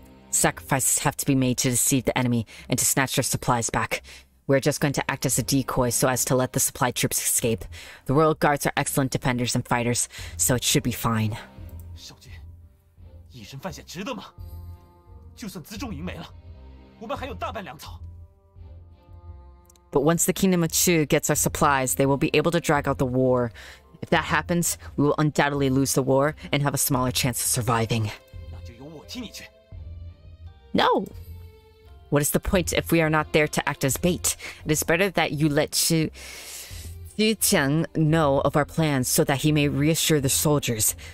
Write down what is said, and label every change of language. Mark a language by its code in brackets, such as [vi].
[en] Sacrifices have to be made to deceive the enemy and to snatch their supplies back. We're just going to act as a decoy so as to let the supply troops escape. The Royal Guards are excellent defenders and fighters, so it should be fine. [zh] 少君,以身犯险值得吗? 就算辎重营没了,我们还有大半粮草。 [en] But once the Kingdom of Chu gets our supplies, they will be able to drag out the war. If that happens, we will undoubtedly lose the war and have a smaller chance of surviving. [zh] 那就由我替你去。 [en] No! What is the point if we are not there to act as bait? It is better that you let Xu Qiang know of our plans so that he may reassure the soldiers.